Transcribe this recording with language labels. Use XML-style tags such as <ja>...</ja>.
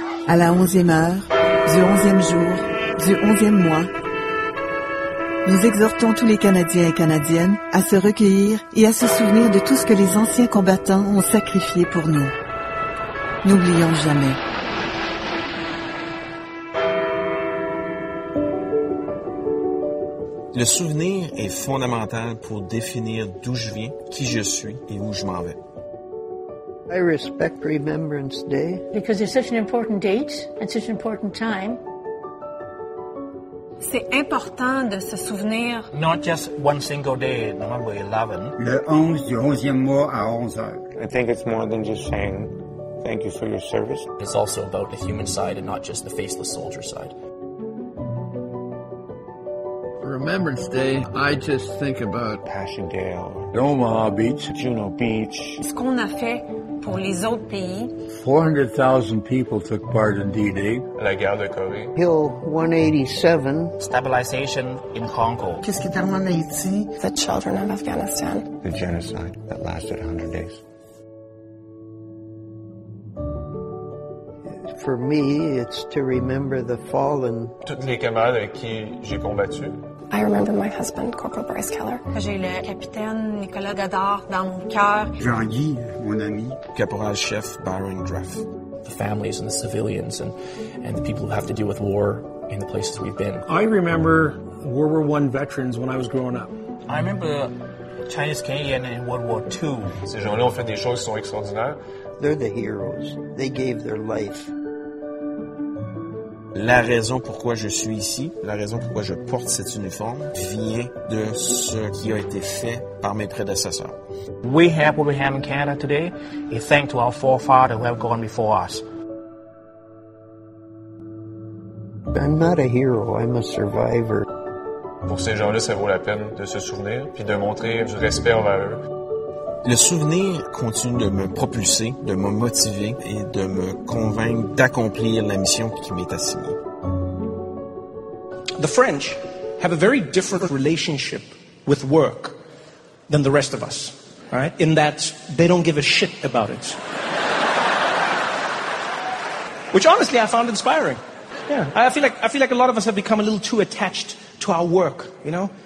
<fr>À la 11e heure, du 11e jour, du 11e mois, nous exhortons tous les Canadiens et Canadiennes à se recueillir et à se souvenir de tout ce que les anciens combattants ont sacrifié pour nous. N'oublions jamais. Le souvenir est fondamental pour définir d'où je viens, qui je suis et où je m'en vais.</fr> <en>I respect Remembrance Day. Because it's such an important date and such an important time.</en> <fr>C'est important de se souvenir.</fr> <en>Not just one single day, November 11.</en> <fr>Le 11 du 11e mois à 11h.</fr> <en>I think it's more than just saying thank you for your service. It's also about the human side and not just the faceless soldier side. Remembrance Day, I just think about Passchendaele, Omaha Beach, Juno Beach.</en> <fr>Ce qu'on a fait pour les autres pays.</fr> <en>400,000 people took part in D-Day.</en> <fr>La guerre de Corée.</fr> <en>Hill 187. Stabilization in Hong Kong.</en> <fr>Qu'est-ce qui est arrivé en Haïti?</fr> <en>The children of Afghanistan. The genocide that lasted 100 days. For me, it's to remember the fallen.</en> <fr>Toutes les camarades avec qui j'ai combattu.</fr> <en>I remember my husband, Corporal Bryce Keller.</en> <fr>J'ai le capitaine Nicolas Godard dans mon cœur. Jean-Guy, mon ami. Caporal chef Byron Dreff.</fr> <en>The families and the civilians and the people who have to deal with war in the places we've been. I remember World War I veterans when I was growing up. I remember Chinese Canadian in World War II.</en> <fr>Ces gens-là ont fait des choses qui sont extraordinaires.</fr> <en>They're the heroes. They gave their life.</en> <fr>La raison pourquoi je suis ici, la raison pourquoi je porte cet uniforme, vient de ce qui a été fait par mes prédécesseurs.</fr> <en>We have what we have in Canada today, and thank to our forefathers who have gone before us. I'm not a hero, I'm a survivor.</en> <fr>Pour ces gens-là, ça vaut la peine de se souvenir, puis de montrer du respect envers eux. Le souvenir continue de me propulser, de me motiver et de me convaincre d'accomplir la mission qui m'est assignée.</fr> <en>The French have a very different relationship with work than the rest of us, right? In that they don't give a shit about it. Which honestly I found inspiring. Yeah. I feel like a lot of us have become a little too attached to our work, you know?</en>